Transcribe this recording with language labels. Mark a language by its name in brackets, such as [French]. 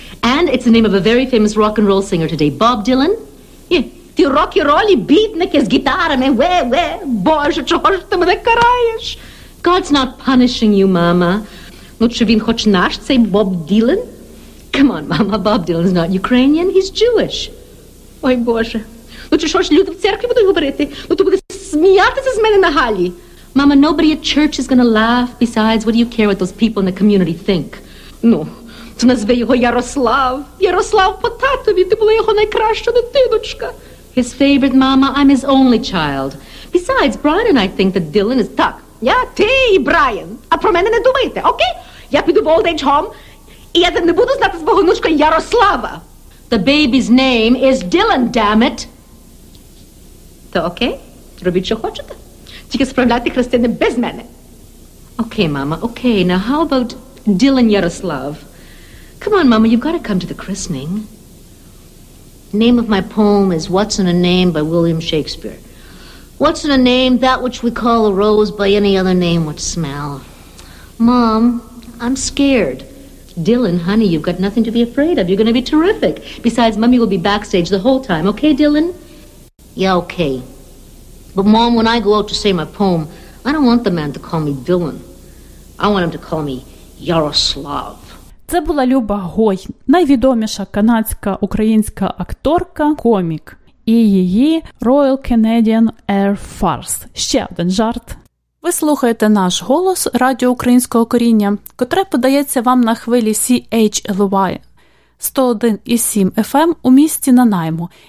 [English] And it's the name of a very famous rock and roll singer today, Bob Dylan. [Ukrainian] Ті рок-і-ролі, бідники з гітарами, ве-ве, боже, чого ж ти мене караєш? [English] God's not punishing you, Mama. [Ukrainian] Ну, чи він хоч наш, цей Bob Dylan? [English] Come on, Mama, Bob Dylan's not Ukrainian, he's Jewish. [Ukrainian] Ой, боже, ну, чи що ж люди в церкві будуть говорити? Ну, ти будеш сміятися з мене на галі? [English] Mama, nobody at church is going to laugh. Besides, what do you care what those people in the community think? [Ukrainian] Ну, то назви його Ярослав. Ярослав по татові. Ти була його найкраща дитиночка. [English] His favorite, Mama, I'm his only child. Besides, Brian and I think that Dylan is так. [Ukrainian] Я ти, Брайан. А про мене не думайте, окей? Я піду в [English] old age home, [Ukrainian] і я не буду знати свого внучка Ярослава. [English] The baby's name is Dylan, damn it. [Ukrainian] То окей, робіть, що хочете. Тільки справляйте хрестини без мене. Окей, мама, окей. [English] Now, how about Dylan Ярослав? Come on, мама, you've got to come to the christening. Name of my poem is What's in a Name by William Shakespeare. What's in a name, that which we call a rose by any other name would smell. Mom, I'm scared. Dylan, honey, you've got nothing to be afraid of. You're going to be terrific. Besides, Mommy will be backstage the whole time. Okay, Dylan? Yeah, okay. But Mom, when I go out to say my poem, I don't want the man to call me Dylan. I want him to call me Yaroslav. [Ukrainian] Це була Люба Гой, найвідоміша канадська українська акторка, комік. І її Royal Canadian Air Farce. Ще один жарт. Ви слухаєте наш голос радіо українського коріння, котре подається вам на хвилі CHLY 101.7 FM у місті Нанаймо.